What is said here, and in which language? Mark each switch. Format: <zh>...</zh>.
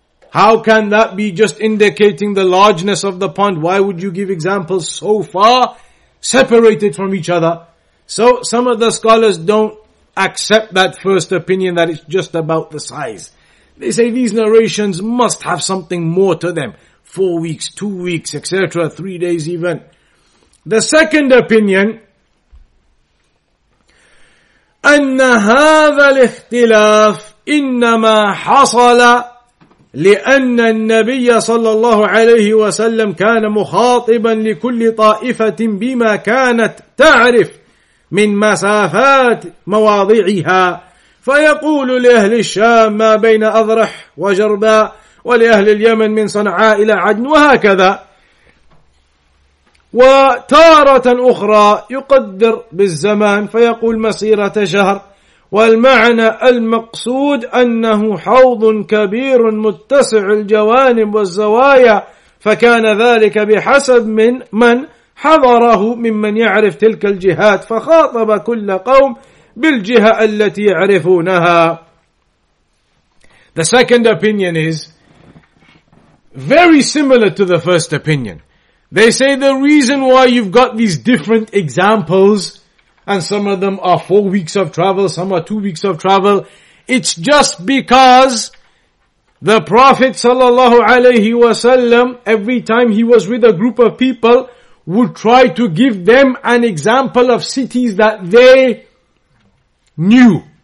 <en>How can that be just indicating the largeness of the pond? Why would you give examples so far separated from each other? So some of the scholars don't accept that first opinion that it's just about the size. They say these narrations must have something more to them. 4 weeks, 2 weeks, etc., 3 days even. The second opinion,</en> <ar>أَنَّ هَذَا الْإِخْتِلَافِ إِنَّمَا حَصَلَ لِأَنَّ النَّبِيَّ صَلَّى اللَّهُ عَلَيْهِ وَسَلَّمْ كَانَ مُخَاطِبًا لِكُلِّ طَائِفَةٍ بِمَا كَانَتْ تَعْرِفْ مِنْ مَسَافَاتِ مَوَاضِعِهَا فَيَقُولُ لِأَهْلِ الشَّامِ مَا بَيْنَ أَضْرَحْ وَجَرْبَى وَلِأَهْلِ الْيَمَنِ مِنْ صَنْعَاءَ إِلَى عَدْنٍ وَهَكَذَا وتارة أخرى يقدر بالزمان فيقول مسيرة شهر والمعنى المقصود أنه حوض كبير متسع الجوانب والزوايا فكان ذلك بحسب من حضره ممن يعرف تلك الجهات فخاطب كل قوم بالجهة التي يعرفونها.</ar> <en>The second opinion is very similar to the first opinion. They say the reason why you've got these different examples, and some of them are 4 weeks of travel, some are 2 weeks of travel, it's just because the Prophet sallallahu alaihi wasallam, every time he was with a group of people, would try to give them an example of cities that they knew.</en>